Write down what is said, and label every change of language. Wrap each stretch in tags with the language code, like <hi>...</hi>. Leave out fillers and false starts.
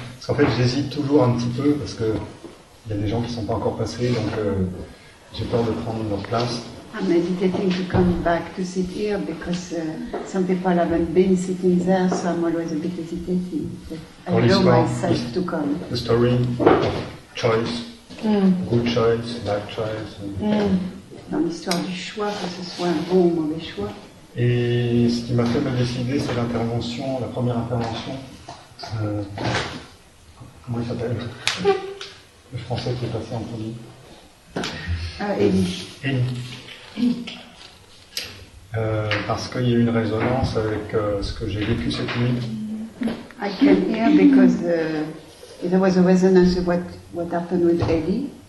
<fr>Parce qu'en fait, j'hésite toujours un petit peu parce que il y a des gens qui ne sont pas encore passés, donc j'ai peur de prendre leur place.</fr> <en>I'm hesitating to come back to sit here because some people haven't been sitting there, so I'm always a bit hesitating. But I allow myself to come. The story of choice, good choice, bad choice.</en> <fr>Dans l'histoire du choix, que ce soit un bon ou mauvais choix. Et ce qui m'a fait me décider, c'est l'intervention, la première intervention. Comment il s'appelle? Le français qui est passé en premier. Élie. Parce qu'il y a eu une résonance avec ce que j'ai vécu cette nuit.</fr> <en>I can hear because there was a resonance of what happened with Élie.</en>